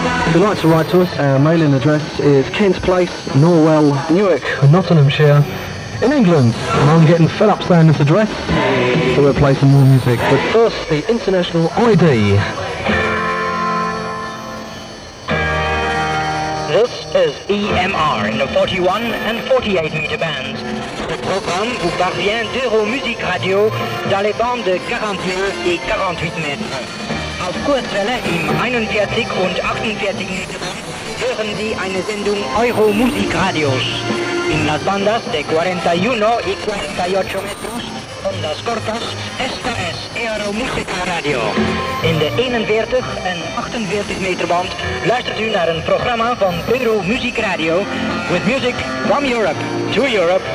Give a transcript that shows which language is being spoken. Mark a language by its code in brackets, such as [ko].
[en] If you'd like to write to us, our mailing address is Kent Place, Norwell, Newark, Nottinghamshire, in England. And I'm getting fed up saying this address, so we'll play some more music. But first, the International ID. This is EMR in the 41 and 48 meter bands. [fr] Le programme vous parvient d'Euro Musique Radio dans les bandes de 41 et 48 mètres. [de] Auf Kurzwelle im 41 und 48 meter band hören Sie eine Sendung Euro Musique Radio. [es] In las bandas de 41 y 48 metros, ondas cortas, esta es Euro Musique Radio. [nl] In de 41 en 48 meter band luistert u naar een programma van Euro Music Radio [en] with music from Europe to Europe.